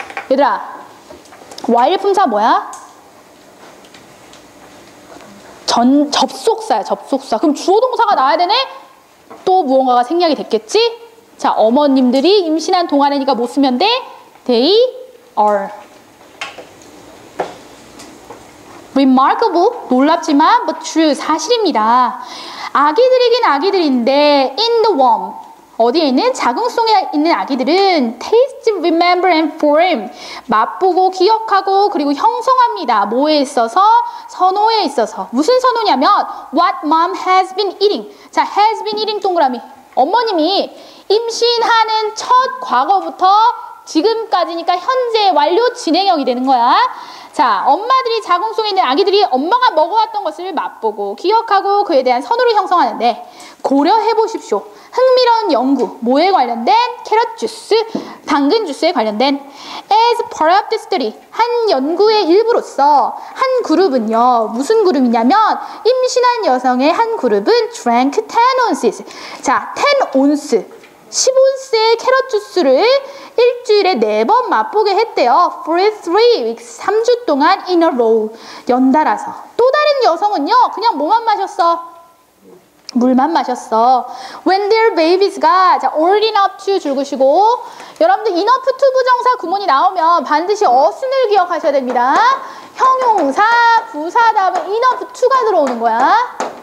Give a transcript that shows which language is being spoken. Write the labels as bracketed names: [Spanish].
[Korean] 얘들아, while 품사 뭐야? 접속사야, 접속사. 그럼 주어동사가 나와야 되네? 또 무언가가 생략이 됐겠지? 자, 어머님들이 임신한 동안이니까 뭐 쓰면 돼? [English] They are. Remarkable, [Korean] 놀랍지만, [English] but true, [Korean] 사실입니다. 아기들이긴 아기들인데, [English] in the womb, [Korean] 어디에 있는? 자궁 속에 있는 아기들은 [English] taste, remember, and form, [Korean] 맛보고 기억하고 그리고 형성합니다. 뭐에 있어서? 선호에 있어서. 무슨 선호냐면, [English] what mom has been eating. 자, has been eating 동그라미. [Korean] 어머님이 임신하는 첫 과거부터 지금까지니까 현재 완료 진행형이 되는 거야. 자, 엄마들이 자궁 속에 있는 아기들이 엄마가 먹어왔던 것을 맛보고 기억하고 그에 대한 선호를 형성하는데 고려해보십시오. 흥미로운 연구. 뭐에 관련된? 캐럿 주스, 당근 주스에 관련된. [English] As part of the study, [Korean] 한 연구의 일부로서 한 그룹은요. 무슨 그룹이냐면 임신한 여성의 한 그룹은 [English] drank 10 ounces. [Korean] 자, 10 온스. 10온스의 캐럿 주스를 일주일에 4번 맛보게 했대요. [English] For 3 weeks, [Korean] 3주 동안 [English] in a row, [Korean] 연달아서. 또 다른 여성은요, 그냥 뭐만 마셨어? 물만 마셨어. [English] When their babies [Korean] 가, 자, [English] old enough to [Korean] 줄그시고, 여러분들 enough to 부정사 구문이 나오면 반드시 어순을 기억하셔야 됩니다. 형용사, 부사 다음에 enough to가 들어오는 거야.